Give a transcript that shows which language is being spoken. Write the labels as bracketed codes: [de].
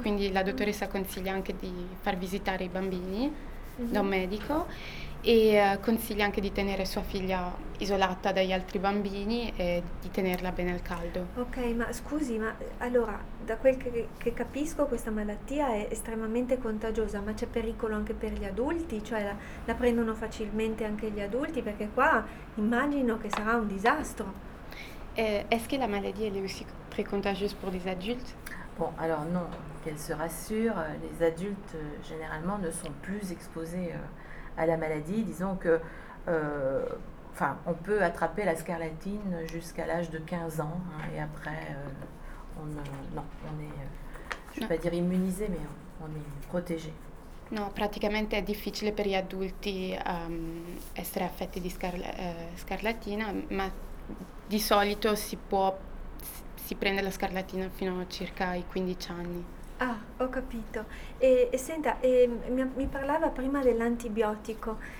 [it] quindi la dottoressa consiglia anche di far visitare i bambini da un medico e consiglia anche di tenere sua figlia isolata dagli altri bambini e di tenerla bene al caldo. Ok, ma scusi, ma allora, da quel che capisco, questa malattia è estremamente contagiosa, ma c'è pericolo anche per gli adulti? Cioè, la prendono facilmente anche gli adulti? Perché qua immagino che sarà un disastro. [fr] Est-ce que la maladie elle est aussi très contagieuse pour les adultes? Bon, alors non, qu'elle se rassure, les adultes généralement ne sont plus exposés à la maladie. Disons que, on peut attraper la scarlatine jusqu'à l'âge de 15 ans, hein, et après, non, je ne vais pas dire immunisé, mais on est protégé. [it] No, praticamente è difficile per gli adulti essere affetti di scarlatina, ma di solito si prende la scarlatina fino a circa i 15 anni. Ah, ho capito. E senta, mi parlava prima dell'antibiotico.